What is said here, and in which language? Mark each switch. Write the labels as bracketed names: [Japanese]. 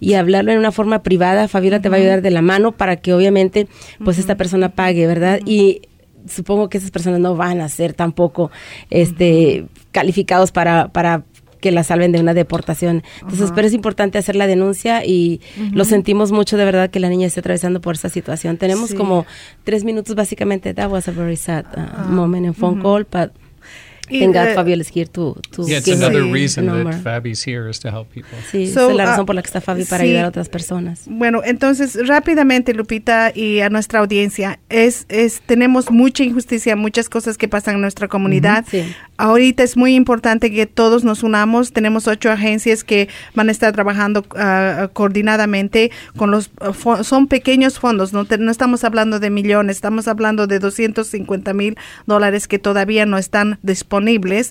[Spanish] Y hablarlo en una forma privada, Fabiola te va a ayudar de la mano para que obviamente pues esta persona pague, ¿verdad? Y supongo que esas personas no van a ser tampoco calificados para que la salven de una deportación. Entonces, pero es importante hacer la denuncia y lo sentimos mucho de verdad que la niña esté atravesando por esa situación. Tenemos como 3 minutos básicamente. [English] That was a very sad moment and phone call, but thank God Fabiola is here to yeah, it's another reason number. That Fabi's here is to help people. [Spanish] Sí, so, es la razón por la que está Fabi para ayudar a otras personas. Bueno, entonces rápidamente, Lupita, y a nuestra audiencia, tenemos mucha injusticia, muchas cosas que pasan en nuestra comunidad. Ahorita es muy importante que todos nos unamos. Tenemos 8 agencias que van a estar trabajando coordinadamente con los son pequeños fondos, no estamos hablando de millones, estamos hablando de $250,000 que todavía no están disponibles,